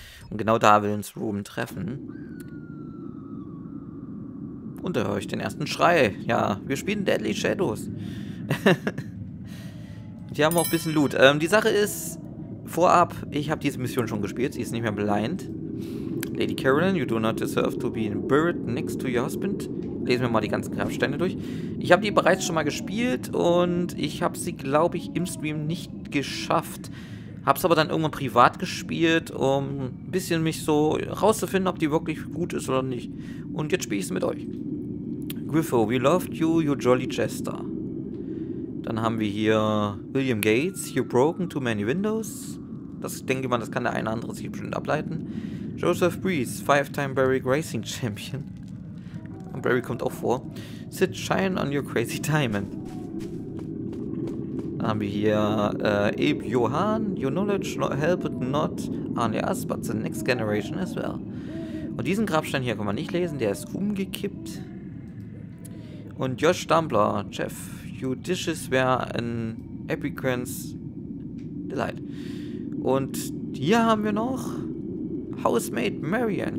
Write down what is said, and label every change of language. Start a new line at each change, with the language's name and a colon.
German: Und genau da will uns Ruben treffen. Und da höre ich den ersten Schrei. Ja, wir spielen Deadly Shadows. Die haben auch ein bisschen Loot. Die Sache ist, vorab, ich habe diese Mission schon gespielt. Sie ist nicht mehr blind.
English: Lady Carolyn, you do not deserve to be buried next to your husband.
German: Lesen wir mal die ganzen Grabsteine durch. Ich habe die bereits schon mal gespielt und ich habe sie, glaube ich, im Stream nicht geschafft. Habe es aber dann irgendwann privat gespielt, um ein bisschen mich so rauszufinden, ob die wirklich gut ist oder nicht. Und jetzt spiele ich sie mit euch.
English: Griffo, we loved you, you jolly jester.
German: Dann haben wir hier
English: William Gates, you've broken too many windows.
German: Das denke ich mal, das kann der eine oder andere sich bestimmt ableiten.
English: Joseph Breeze, 5-time Barry Racing Champion.
German: Und Barry kommt auch vor.
English: Sit shine on your crazy diamond.
German: Dann haben wir hier Abe Johann.
English: Your knowledge helped not only us, but the next generation as well.
German: Und diesen Grabstein hier kann man nicht lesen. Der ist umgekippt. Und Josh Dumbler.
English: Jeff, your dishes were an epicurean's delight.
German: Und hier haben wir noch Housemaid Marian.